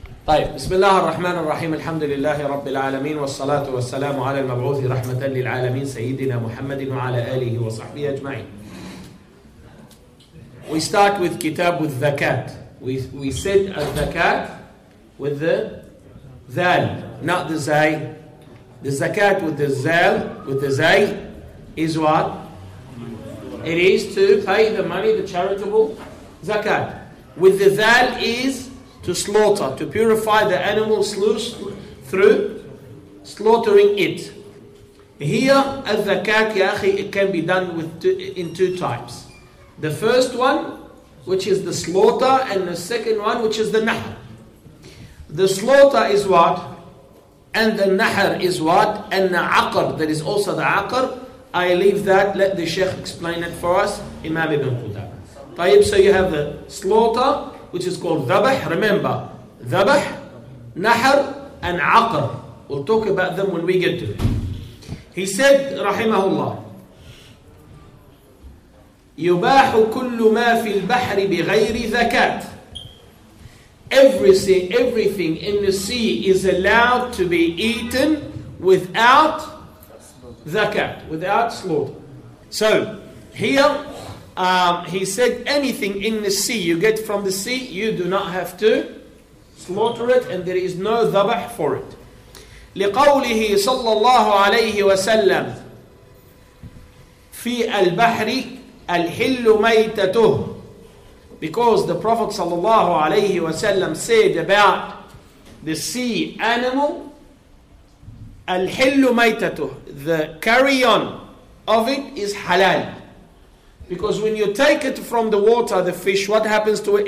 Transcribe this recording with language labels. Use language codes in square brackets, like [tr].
[ar] طيب، بسم الله الرحمن الرحيم، الحمد لله رب العالمين، والصلاة والسلام على المبعوث رحمة للعالمين سيدنا محمد وعلى آله وصحبه أجمعين. [en] We start with كتاب الزكاة. We said الزكاة with the ذال, not the زاي. The زكاة with the زال, with the زاي, is what? It is to pay the money, the charitable زكاة. With the ذال is to slaughter, to purify the animal sluice through slaughtering it. Here, al-zakat, ya akhi, it can be done with in two types. The first one, which is the slaughter, and the second one, which is the nahar. The slaughter is what? And the nahar is what? And the aqr, that is also the aqr. I leave that, let the sheikh explain it for us, Imam Ibn Qudamah. Tayyib, so you have the slaughter, which is called ذبح. Remember, ذبح, نحر, and عقر. We'll talk about them when we get to it. [ar] He said, رحمه الله, يباح كل ما في البحر بغير زكاة. [en] Everything in the sea is allowed to be eaten without زكاة, without slaughter. So, here, he said, anything in the sea you get from the sea, you do not have to slaughter it, and there is no ذبح for it. [ar] لقوله صلى الله عليه وسلم في البحر الحل ميتته. [en] Because the Prophet صلى الله عليه وسلم said about the sea animal, [ar] الحل ميتته, [en] the carrion of it is halal. Because when you take it from the water, the fish, what happens to it?